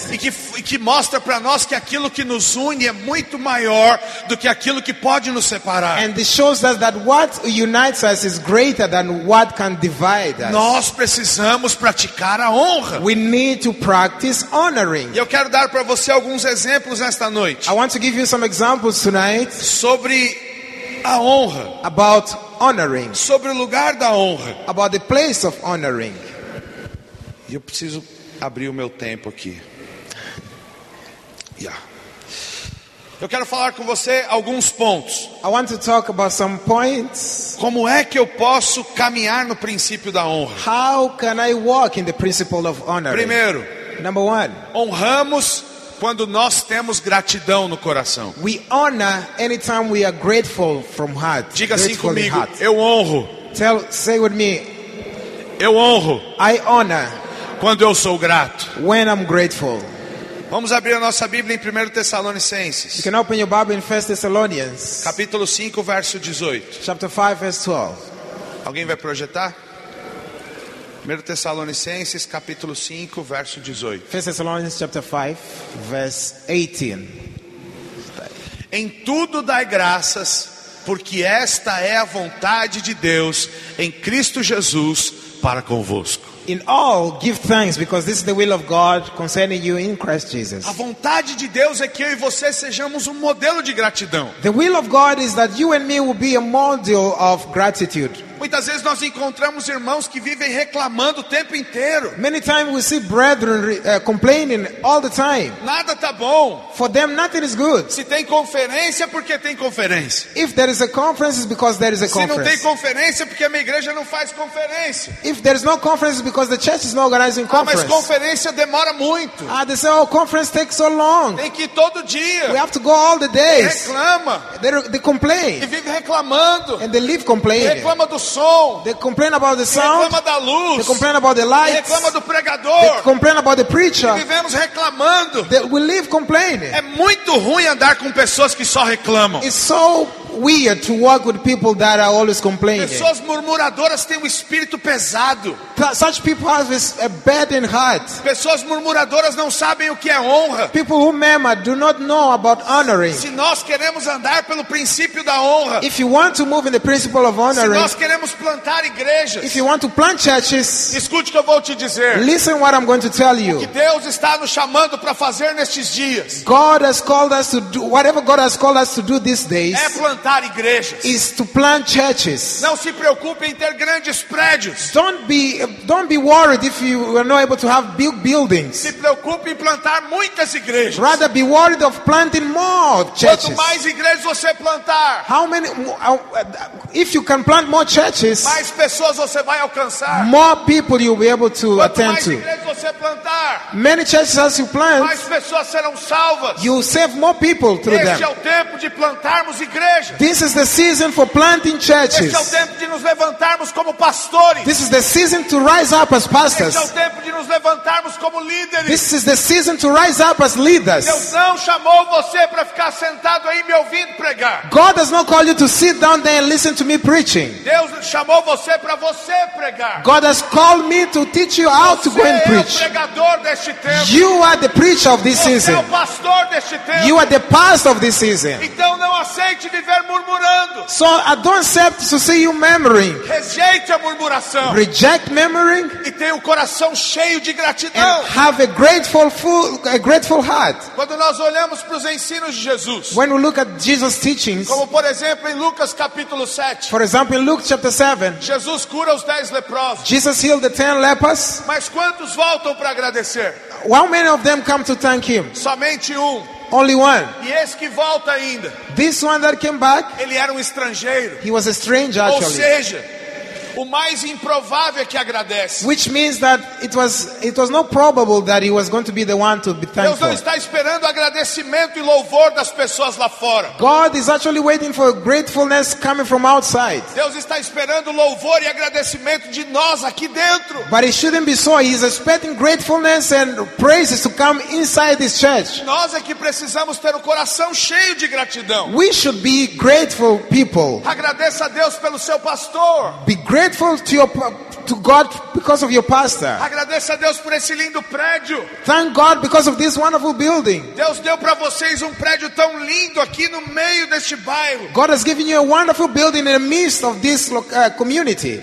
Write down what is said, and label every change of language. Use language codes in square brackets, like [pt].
[pt] E que mostra para nós que aquilo que nos une é muito maior do que aquilo que pode nos separar. [en] And it shows us that what unites us is greater than what can divide us. [pt] Nós precisamos praticar a honra. [en] We need to practice honoring. [pt] E eu quero dar para você alguns exemplos nesta noite. [en] I want to give you some examples tonight. [pt] Sobre a honra. [en] About honoring. [pt] Sobre o lugar da honra. [en] About the place of honoring. [pt] Eu preciso abrir o meu tempo aqui. Yeah. Eu quero falar com você alguns pontos. [en] I want to talk about some points. [pt] Como é que eu posso caminhar no princípio da honra? [en] How can I walk in the principle of honor? [pt] Primeiro, [en] number one, [pt] honramos quando nós temos gratidão no coração. [en] We honor anytime we are grateful from heart. [pt] Diga assim comigo, eu honro. [en] Say with me. [pt] Eu honro. [en] I honor. [pt] Quando eu sou grato. [en] When I'm grateful. [pt] Vamos abrir a nossa Bíblia em 1 Tessalonicenses. [en] You can open your Bible in 1 Thessalonians. [pt] Capítulo 5, verso 18. [en] Chapter 5, verse 12. [pt] Alguém vai projetar? 1 Tessalonicenses capítulo 5, verso 18. [en] 1 Thessalonians chapter 5, verse 18. [pt] Em tudo dai graças, porque esta é a vontade de Deus em Cristo Jesus para convosco. [en] In all give thanks because this is the will of God concerning you in Christ Jesus. [pt] A vontade de Deus é que eu e você sejamos um modelo de gratidão. [en] The will of God is that you and me will be a model of gratitude. [pt] Muitas vezes nós encontramos irmãos que vivem reclamando o tempo inteiro. [en] Many times we see brethren complaining all the time. [pt] Nada tá bom. [en] For them nothing is good. [pt] Se tem conferência, porque tem conferência. [en] If there is a conference, it's because there is a conference. [pt] Se não tem conferência, porque a minha igreja não faz conferência. [en] If there is no conference, it's because the church is not organizing conference. [pt] Ah, mas conferência demora muito. [en] Ah, they say, oh, conference takes so long. [pt] Tem que ir todo dia. [en] We have to go all the days. [pt] E reclama. [en] They complain. [pt] E vive reclamando. [en] And they live complaining. [pt] Reclama do som. [en] They complain about the sound. [pt] Reclama da luz. [en] They complain about the lights. [pt] Reclama do pregador. [en] They complain about the preacher. [pt] E vivemos reclamando. [en] We live complaining. [pt] É muito ruim andar com pessoas que só reclamam. [en] It's so weird to work with people that are always complaining. [pt] Pessoas murmuradoras têm um espírito pesado. [en] Such people have a burdened heart. [pt] Pessoas murmuradoras não sabem o que é honra. [en] People who murmur do not know about honoring. [pt] Se nós queremos andar pelo princípio da honra, [en] if you want to move in the principle of honoring, [pt] se nós queremos plantar igrejas, [en] if you want to plant churches, [pt] escute o que eu vou te dizer. [en] Listen what I'm going to tell you. [pt] O que Deus está nos chamando para fazer nestes dias. [en] God has called us to do whatever God has called us to do these days. [pt] É plantar igrejas. [en] Is to plant churches. [pt] Não se preocupe em ter grandes prédios. [en] Don't be worried if you are not able to have big buildings. [pt] Se preocupe em plantar muitas igrejas. [en] Rather be worried of planting more churches. [pt] Quanto mais igrejas você plantar, [en] how many, if you can plant more churches, [pt] mais pessoas você vai alcançar. [en] More people you'll be able to attend to. [pt] Quanto mais igrejas você plantar, [en] many churches as you plant, [pt] mais pessoas serão salvas. [en] You'll save more people through them. [pt] Este é o tempo de plantarmos igrejas. [en] This is the season for planting churches. [pt] Este é o tempo de nos levantarmos como pastores. [en] This is the season to rise up as pastors. [pt] Este é o tempo de nos levantarmos como líderes. [en] This is the season to rise up as leaders. [pt] Deus não chamou você para ficar sentado aí me ouvindo pregar. [en] God has not called you to sit down there and listen to me preaching. [pt] Deus chamou você para você pregar. [en] God has called me to teach you how [pt] você [en] to go and preach. [pt] É o pregador deste tempo. [en] You are the preacher of this [pt] você [en] season. [pt] É o pastor deste tempo. [en] You are the pastor of this season. [pt] Então não aceite viver murmurando. [en] So I don't accept to see you murmuring. [pt] Rejeite a murmuração. [en] Reject murmuring. [pt] E tenha o coração cheio de gratidão. [en] And have a grateful heart. [pt] Quando nós olhamos para os ensinos de Jesus. [en] When we look at Jesus' teachings. [pt] Como por exemplo em Lucas capítulo 7. [en] For example in Luke chapter 7. [pt] Jesus cura os 10 leprosos. [en] Jesus healed the 10 lepers. [pt] Mas quantos voltam para agradecer? [en] How many of them come to thank him? [pt] Somente um. [en] Only one. [pt] E esse que volta ainda. [en] This one that came back. [pt] Ele era um estrangeiro. [en] He was a stranger actually. [pt] Ou seja, o mais improvável é que agradece. [en] Which means that it was not probable that he was going to be the one to be thankful. [pt] Deus não está esperando agradecimento e louvor das pessoas lá fora. [en] God is actually waiting for gratefulness coming from outside. [pt] Deus está esperando louvor e agradecimento de nós aqui dentro. [en] But it shouldn't be so. He's expecting gratefulness and praises to come inside this church. [pt] Nós é que precisamos ter o coração cheio de gratidão. [en] We should be grateful people. [pt] Agradeça a Deus pelo seu pastor. [en] Grateful to God because of your pastor. [pt] Agradeça a Deus por esse lindo prédio. [en] Thank God because of this wonderful building. [pt] Deus deu para vocês prédio tão lindo aqui no meio deste bairro. [en] God has given you a wonderful building in the midst of this community.